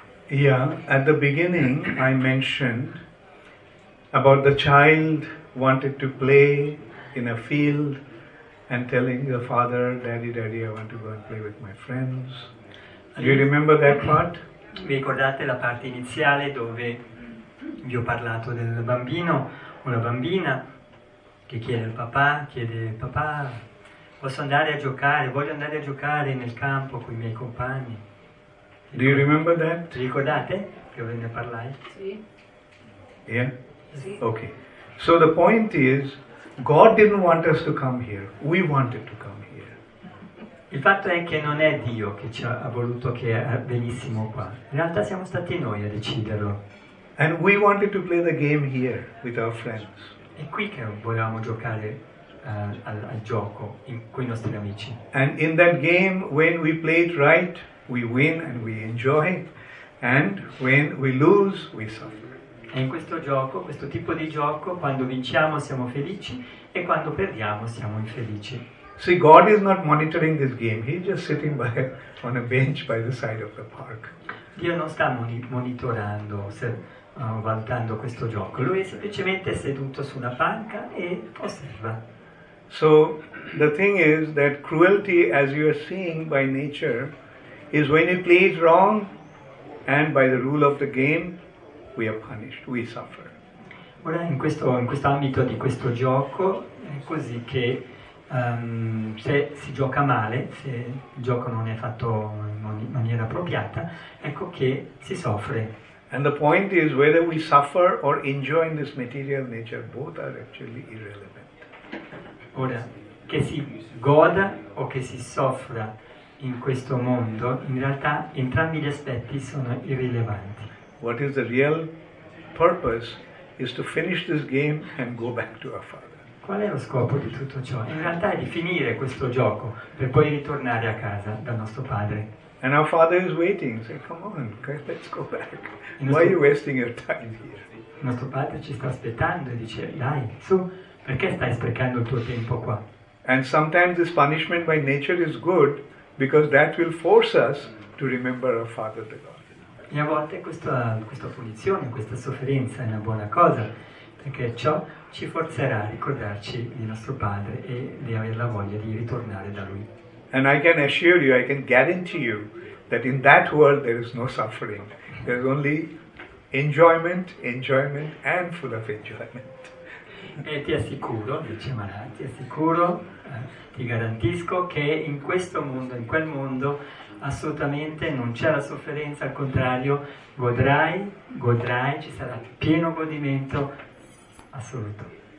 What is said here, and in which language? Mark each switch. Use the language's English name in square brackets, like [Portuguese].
[English] Yeah, at the beginning I mentioned about the child wanted to play in a field and telling the father, "Daddy, Daddy, I want to go and play with my friends." Do you remember that part? [Italian] Vi ricordate la parte iniziale dove vi ho parlato del bambino o la bambina che chiede al papà posso andare a giocare, voglio andare a giocare nel campo con i miei compagni. [English] Do you remember that? [Italian] Ti ricordate che ve ne parlai? Sì. [English] Yeah? [Italian] Sì. [English] Okay. So the point is, God didn't want us to come here. We wanted to come here. [Italian] Il fatto è che non è Dio che ci ha voluto che venissimo qua. In realtà siamo stati noi a deciderlo. [English] And we wanted to play the game here with our friends. [Italian] È qui che volevamo giocare al gioco con i nostri amici. [English] And in that game, when we play it right, we win and we enjoy. And when we lose, we suffer. [Italian] E in questo gioco, questo tipo di gioco, quando vinciamo siamo felici e quando perdiamo siamo infelici. [English] See, God is not monitoring this game. He's just sitting by on a bench by the side of the park. [Italian] Dio non sta monitorando. Valutando questo gioco, lui è semplicemente seduto su una panca e osserva. [English] So the thing is that cruelty, as you are seeing by nature, is when you play it wrong, and by the rule of the game, we are punished, we suffer. [Italian] Ora in questo ambito di questo gioco è così che se si gioca male, se il gioco non è fatto in maniera appropriata, ecco che si soffre. [English] And the point is, whether we suffer or enjoy in this material nature, both are actually irrelevant. [Italian] Ora, che si goda o che si soffra in questo mondo, in realtà entrambi gli aspetti sono irrilevanti. [English] What is the real purpose is to finish this game and go back to our father. [Italian] Qual è lo scopo di tutto ciò? In realtà è di finire questo gioco per poi ritornare a casa dal nostro padre. [English] And our father is waiting. Say, come on, let's go back. Why are you wasting your time here? [Italian] Nostro padre ci sta aspettando e dice, dai, su, perché stai sprecando il tuo tempo qua? [English] And sometimes this punishment by nature is good because that will force us to remember our father, the God. [Italian] E a volte questa punizione, questa sofferenza è una buona cosa perché ciò ci forzerà a ricordarci di nostro padre e di aver la voglia di ritornare da lui. [English] And I can assure you, I can guarantee you that in that world there is no suffering. There is only enjoyment, enjoyment, and full of enjoyment. [Italian] E ti assicuro, dice Mara, ti assicuro, ti garantisco che in questo mondo, in quel mondo, assolutamente non c'è la sofferenza, al contrario, godrai, ci sarà pieno godimento assoluto.